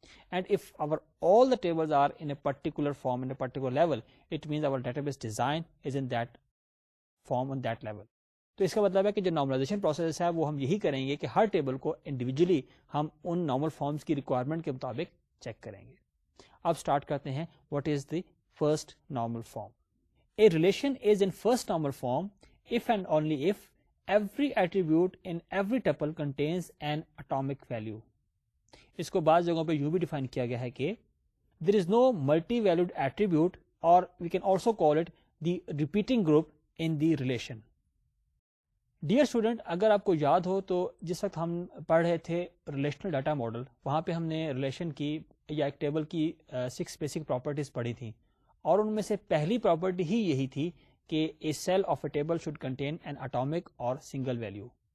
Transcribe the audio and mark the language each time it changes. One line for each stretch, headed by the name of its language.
English: And if our all the tables are in a particular form in a particular level, it means our database design is in that form in that level.
Urdu: تو اس کا مطلب ہے کہ جو normalization process ہے وہ ہم یہی کریں گے کہ ہر ٹیبل کو انڈیویجلی ہم ان نارمل فارمز کی ریکوائرمنٹ کے مطابق چیک کریں گے. اب سٹارٹ کرتے ہیں,
English: What is the first normal form. A relation is in first normal form if and only if every attribute in every tuple contains an atomic value.
Urdu: اس کو بعض جگہوں پہ یوں بھی ڈیفائن کیا گیا ہے کہ
English: There is no multi valued attribute, اور we can also call it the repeating group in the relation.
Urdu: Dear student, اگر آپ کو یاد ہو تو جس وقت ہم پڑھ رہے تھے ریلیشنل ڈاٹا ماڈل, وہاں پہ ہم نے ریلیشن کی یا ایک ٹیبل کی سکس بیسک پراپرٹیز پڑھی تھیں, اور ان میں سے پہلی پراپرٹی ہی یہی تھی کہ
English: A cell of a table should contain an atomic or single value.